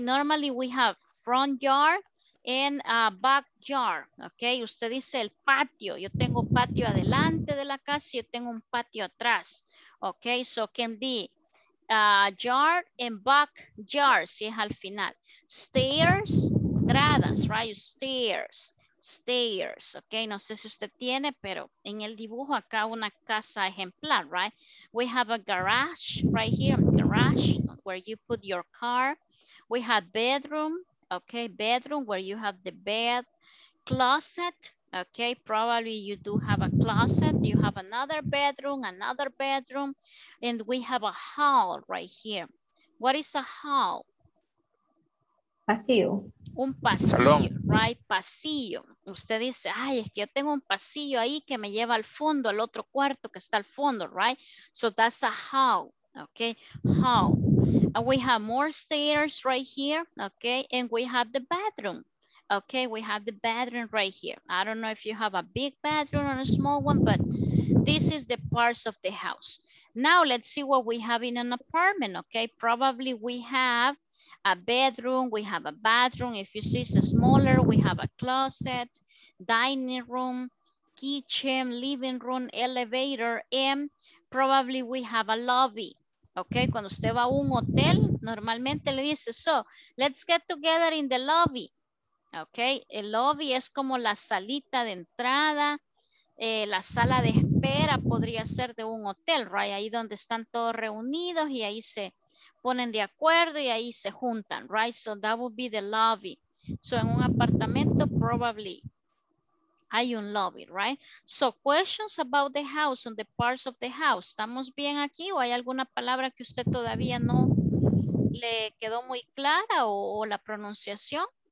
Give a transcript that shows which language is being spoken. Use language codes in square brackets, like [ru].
[en] Normally we have front yard and back yard, okay. [es] Usted dice el patio. Yo tengo patio adelante de la casa y yo tengo un patio atrás, okay. [en] So can be yard and back yard. [es] Si es al final, stairs, gradas, right? [en] Stairs, okay. [es] No sé si usted tiene, pero en el dibujo acá una casa ejemplar, right? [en] We have a garage right here, garage where you put your car. We have bedroom, okay, bedroom where you have the bed, closet, Okay, probably you do have a closet, you have another bedroom, and we have a hall right here. What is a hall? [es] Pasillo. Un pasillo, right? Pasillo. Usted dice, ay, es que yo tengo un pasillo ahí que me lleva al fondo, al otro cuarto que está al fondo, right? [en] So that's a hall, okay? Hall. And we have more stairs right here, okay? And we have the bedroom. Okay, we have the bedroom right here. I don't know if you have a big bedroom or a small one, but this is the parts of the house. Now let's see what we have in an apartment, okay? Probably we have a bedroom, we have a bathroom. If you see it's smaller, we have a closet, dining room, kitchen, living room, elevator, and probably we have a lobby. [es] Okay, cuando usted va a un hotel, normalmente le dice, [en] so let's get together in the lobby. [es] Okay, el lobby es como la salita de entrada, la sala de espera podría ser de un hotel, right? Ahí donde están todos reunidos y ahí se ponen de acuerdo y ahí se juntan, right? [en] So that would be the lobby. So [es] en un apartamento [en] probably [es] hay un lobby, [en] right? So questions about the house and the parts of the house. [es] ¿Estamos bien aquí o hay alguna palabra que usted todavía no le quedó muy clara o la pronunciación?